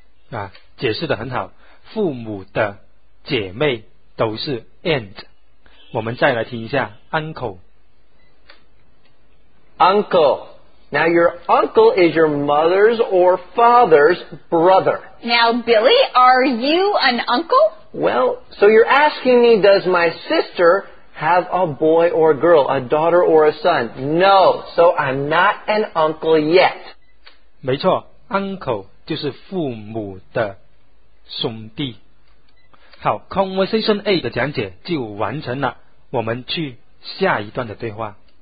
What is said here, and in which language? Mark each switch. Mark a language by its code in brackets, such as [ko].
[zh] 啊，解释得很好。父母的姐妹都是 aunt。我们再来听一下 uncle。 [en] Uncle. Now your uncle is your mother's or father's brother. Now Billy, are you an uncle? Well, so you're asking me, does my sister have a boy or a girl, a daughter or a son? No, so I'm not an uncle yet. [zh] 没错， uncle 就是父母的兄弟。好， conversation A 的讲解就完成了，我们去下一段的对话。